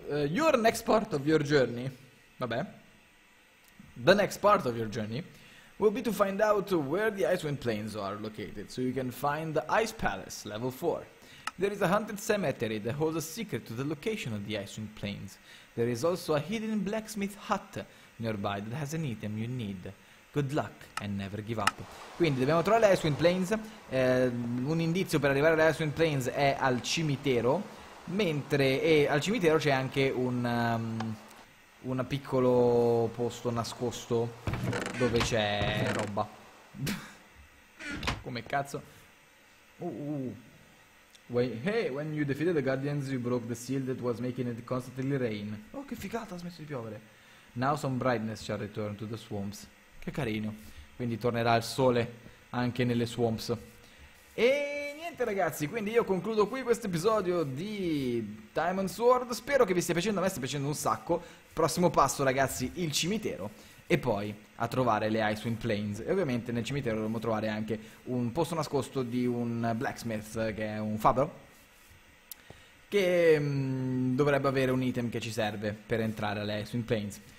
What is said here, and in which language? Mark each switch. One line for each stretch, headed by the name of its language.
English: Your next part of your journey. Vabbè. The next part of your journey will be to find out where the Icewind Plains are located, so you can find the Ice Palace, level 4. There is a haunted cemetery that holds a secret to the location of the Icewind Plains. There is also a hidden blacksmith hut nearby that has an item you need. Good luck and never give up.
Italian: Quindi dobbiamo trovare le Icewind Plains. Un indizio per arrivare alle Icewind Plains è al cimitero. E al cimitero c'è anche un piccolo posto nascosto dove c'è roba. Come cazzo?
English: Hey, when you defeated the guardians, you broke the seal that was making it constantly rain.
Italian: Oh, che figata, ha smesso di piovere.
English: Now some brightness shall return to the swamps.
Italian: Che carino. Quindi tornerà il sole anche nelle swamps. E niente ragazzi, quindi io concludo qui questo episodio di Diamond Sword. Spero che vi stia piacendo, a me sta piacendo un sacco. Prossimo passo ragazzi, il cimitero. E poi a trovare le Icewind Plains. E ovviamente nel cimitero dovremo trovare anche un posto nascosto di un blacksmith, che è un fabbro, che dovrebbe avere un item che ci serve per entrare alle Icewind Plains.